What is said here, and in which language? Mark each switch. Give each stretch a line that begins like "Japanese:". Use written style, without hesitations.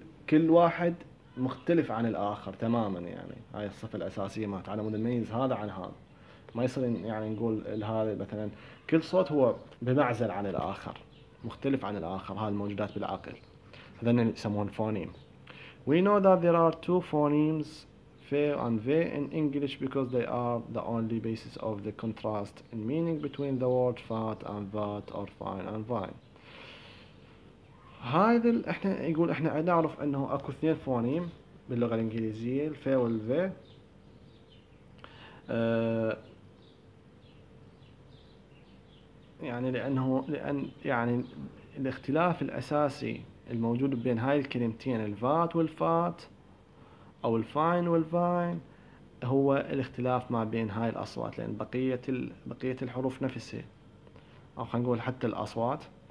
Arabic: كل واحد مختلف عن الآخر تماما. يعني هاي الصفة الأساسية، ما تعلمون نميز هذا عن هذا، ما يصير يعني نقول هذا مثلا كل صوت هو بمعزل عن الآخر، مختلف عن الآخر، هاي الموجودات بالعقل هذن يسمون فونيم.
English: We know that there are two phonemes, fa and ve in English because they are the only basis of the contrast in meaning between the word fat and that or fine and vine.
Arabic: هاي احنا يقول احنا نعرف انه اكو اثنين فونيم باللغة الانجليزية الف والف. يعني لانه لان يعني الاختلاف الاساسي الموجود بين هاي الكلمتين الفات والفات او الفاين والفاين هو الاختلاف ما بين هاي الاصوات، لان بقية الحروف نفسها او خلينا نقول حتى الاصوات.